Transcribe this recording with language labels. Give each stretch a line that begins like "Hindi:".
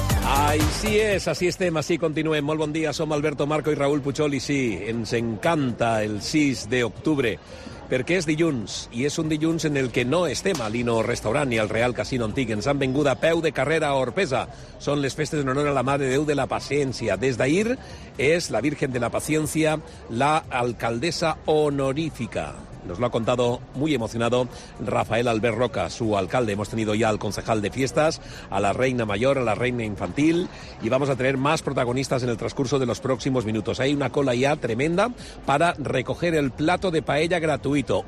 Catalan: Ay, sí es, así estem, así continuem. Molt bon dia, som Alberto Marco i Raúl Puchol i sí, ens encanta el 6 d'octubre, perquè és dilluns i és un dilluns en el que no estem a l'Ino Restaurant ni al Real Casino Antic. Ens han vengut a peu de carrera a Orpesa. Són les festes en honor a la Mare Déu de la Paciència. Des d'ahir és la Virgen de la Paciència, la alcaldessa honorífica.
Spanish: Nos lo ha contado muy emocionado Rafael Albert Roca, su alcalde. Hemos tenido ya al concejal de fiestas, a la reina mayor, a la reina infantil, y vamos a tener más protagonistas en el transcurso de los próximos minutos. Hay una cola ya tremenda para recoger el plato de paella gratuito.